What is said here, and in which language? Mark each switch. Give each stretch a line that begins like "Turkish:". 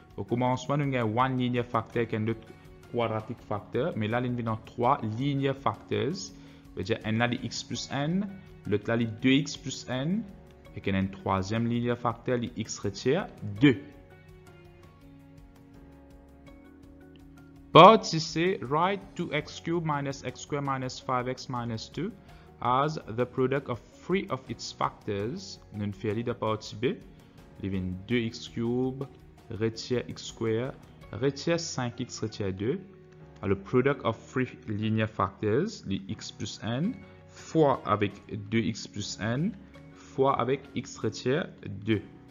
French: Au commencement, nous avons un linear factor qui est notre quadratique facteur, mais là, il y a 3 linear factors. C'est-à-dire, n là, il y a x plus n, l'autre là, il y a 2x plus n, et qu'il y a un troisième linear facteur, il y a x retire 2.
English: But,
French: si c'est,
English: write 2x cubed minus x squared minus 5x minus 2 as the product of 3 of its factors.
French: Nous ne faisons pas la partie B. Il y a 2x cubed, retire x squared, retire 5x, retire 2. Alors, product of three linear factors, le x plus n, fois avec 2x plus n, fois avec x retire 2.